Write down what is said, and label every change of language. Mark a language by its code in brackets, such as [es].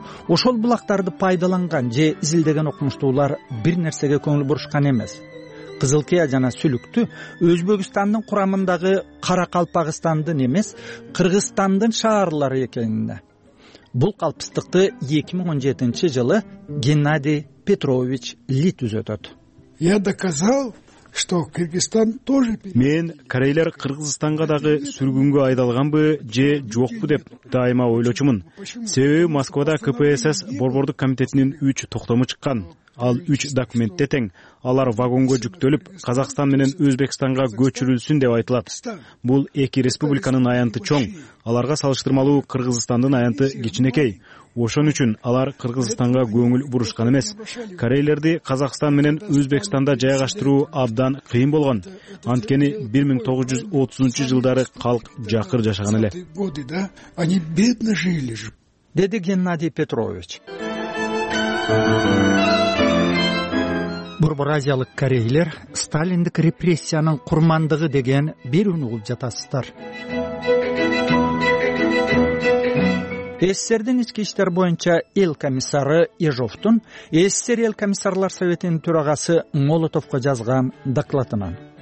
[ky] Ошол булактарды пайдаланган же изилдеген окумуштуулар бир нерсеге көңүл бурушкан эмес. Кызылкыя жана Сүлүктү Өзбекстандын курамындагы Каракалпагыстандын эмес Кыргызстандын шаарлары экенине. Бул калпыстыкты 2017 жылы Геннадий Петрович Ли түзөтөт. [ru] Я доказал, что Кыргызстан тоже. [ky] Мен корейлер Кыргызстанга дагы сүргүнгө айдалганбы же жокпу деп дайыма ойлочумун. Себеби Москвада КПСС борбордук комитетинин 3 токтому чыккан. Ал 3 документте тең. Алар вагонго жүктөлүп, Казакстан менен Өзбекстанга көчүрүлсүн деп айтылат. Бул эки республиканын аянты чоң. Аларга салыштырмалуу Кыргызстандын аянты кичинекей. Ошон үчүн алар Кыргызстанга көңүл бурушкан эмес. Корейлерди Казакстан менен Өзбекстанда жайгаштыруу абдан кыйын болгон. Анткени 1930 жылдары калк жакыр жашаган эле. [ru] Они бедно жили. [ky] Деди Геннадий Петрович. Борборазиялык корейлер сталиндик репрессиянын курмандыгы деген бир үн угуп жатасыздар. СССР-дин ички иштер боюнча эл комиссары Ежовтун СССР эл комиссарлар советинин төрагасы Молотовго жазган докладынан